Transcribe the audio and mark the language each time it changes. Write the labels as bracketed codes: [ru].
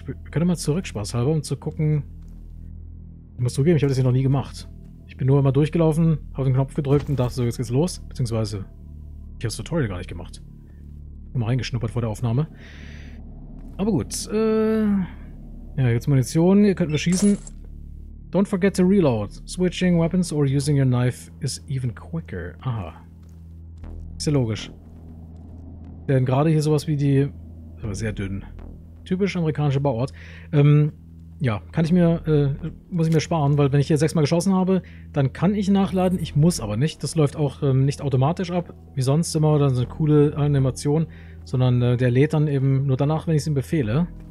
[de] Können wir mal zurück, Spaß halber, um zu gucken. Ich muss zugeben, ich habe das hier noch nie gemacht. Ich bin nur immer durchgelaufen, habe den Knopf gedrückt und dachte so, jetzt geht's los. Beziehungsweise, ich habe das Tutorial gar nicht gemacht. Immer reingeschnuppert vor der Aufnahme. Aber gut, ja, jetzt Munition, hier könnten wir schießen. [en] Don't forget to reload. Switching weapons or using your knife is even quicker. [de] Aha. Ist ja logisch. Denn gerade hier sowas wie die, aber sehr dünn. Typisch amerikanischer Bauort. Ja, kann ich mir, muss ich mir sparen, weil wenn ich hier 6-mal geschossen habe, dann kann ich nachladen, ich muss aber nicht. Das läuft auch nicht automatisch ab, wie sonst immer, oder so eine coole Animation, sondern der lädt dann eben nur danach, wenn ich es ihm befehle.